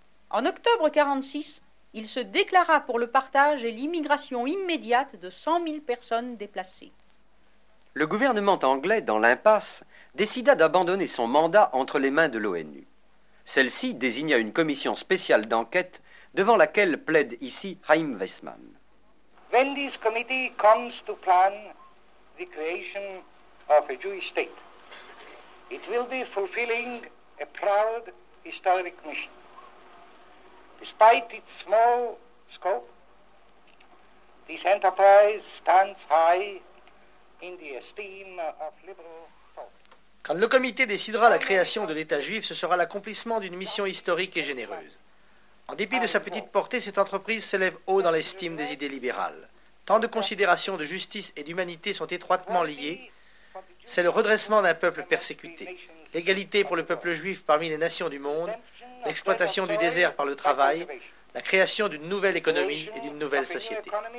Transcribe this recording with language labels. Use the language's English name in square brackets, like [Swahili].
[French] En octobre 1946, il se déclara pour le partage et l'immigration immédiate de 100 000 personnes déplacées. Le gouvernement anglais, dans l'impasse, décida d'abandonner son mandat entre les mains de l'ONU. Celle-ci désigna une commission spéciale d'enquête devant laquelle plaide ici Chaim Weizmann. [English] When this committee comes to plan the creation of a Jewish state, it will be fulfilling a proud historic mission. Despite its small scope, this enterprise stands high in the esteem of liberal thought. [French] Quand le comité décidera la création de l'État juif, ce sera l'accomplissement d'une mission historique et généreuse. En dépit de sa petite portée, cette entreprise s'élève haut dans l'estime des idées libérales. Tant de considérations de justice et d'humanité sont étroitement liées. C'est le redressement d'un peuple persécuté, l'égalité pour le peuple juif parmi les nations du monde, l'exploitation du désert par le travail, la création d'une nouvelle économie et d'une nouvelle société.